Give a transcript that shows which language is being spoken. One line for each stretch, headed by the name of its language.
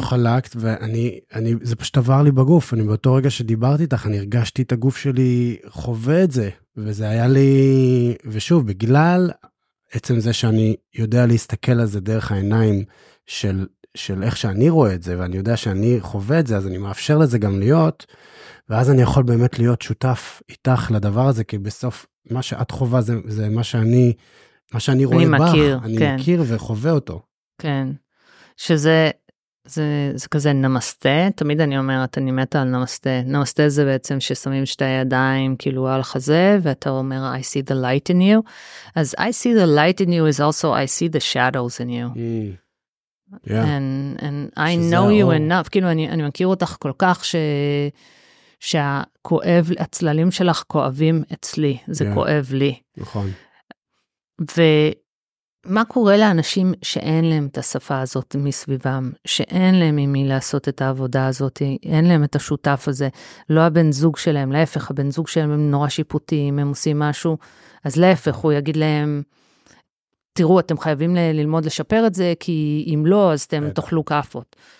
Hebrew: חלקת, ואני, זה פשוט עבר לי בגוף. אני באותו רגע שדיברתי איתך, אני הרגשתי את הגוף שלי חווה את זה, וזה היה לי, ושוב, בגלל עצם זה שאני יודע להסתכל על זה דרך העיניים של איך שאני רואה את זה, ואני יודע שאני חווה את זה, אז אני מאפשר לזה גם להיות, ואז אני יכול באמת להיות שותף איתך לדבר הזה, כי בסוף מה שאת חווה זה מה שאני רואה בך. אני מכיר, אני כן. אני מכיר וחווה אותו. כן. שזה זה כזה נמסטה, תמיד אני אומרת, אני מתה על נמסטה. נמסטה זה בעצם ששמים שתי ידיים כאילו על חזה, ואתה אומר,
English: I see the light in you.
Hebrew: אז
English: I see the light in you is also I see the shadows in you. Yeah. And I know you all. enough.
Hebrew: כאילו, אני מכיר אותך כל כך שהכואב, הצללים שלך כואבים אצלי. זה כואב לי. נכון. ו... מה קורה לאנשים שאין להם את השפה הזאת מסביבם, שאין להם עם מי לעשות את העבודה הזאת, אין להם את השותף הזה, לא הבן זוג שלהם, להפך, הבן זוג שלהם הם נורא שיפוטיים, הם עושים משהו, אז להפך, הוא יגיד להם, תראו, אתם חייבים ללמוד לשפר את זה, כי אם לא, אז אתם תאכלו כאפות.